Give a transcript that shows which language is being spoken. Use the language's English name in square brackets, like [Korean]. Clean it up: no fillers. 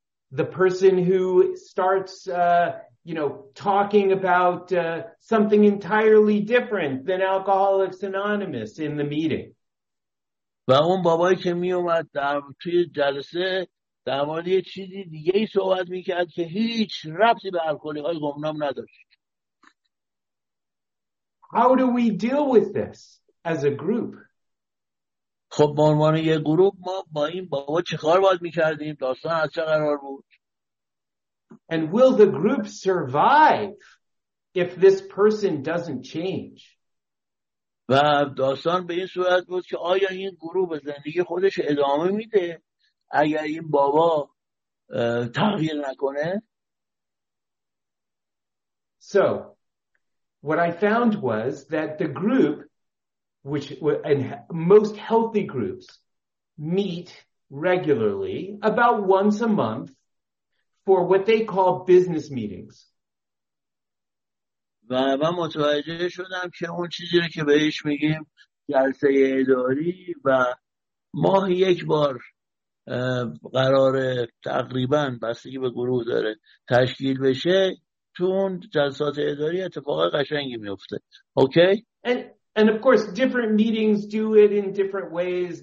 [English] The person who starts talking about something entirely different than Alcoholics Anonymous in the meeting. [Persian] و اون بابایی که میومد توی جلسه در مورد یه چیزی دیگه ای صحبت میکرد که هیچ ربطی به الکلیهای گمنام نداشت. [English] How do we deal with this as a group? [Persian] خب به عنوان یه گروه ما با این بابا چه کار باید می‌کردیم؟ داستان از چه قرار بود؟ [English] And will the group survive if this person doesn't change? [Persian] و داستان به این صورت بود که آیا این گروه به زندگی خودش ادامه میده اگر این بابا تغییر نکنه. [English] So what I found was that the group which and most healthy groups meet regularly about once a month for what they call business meetings. [Persian] و من متوجه شدم که اون چیزی که بهش میگیم جلسه اداری و ماه یک بار قرار تقریبا بستگی به گروه داره تشکیل بشه تو اون جلسات اداری اتفاق قشنگی میفته. اوکی؟ [English] And of course, different meetings do it in different ways.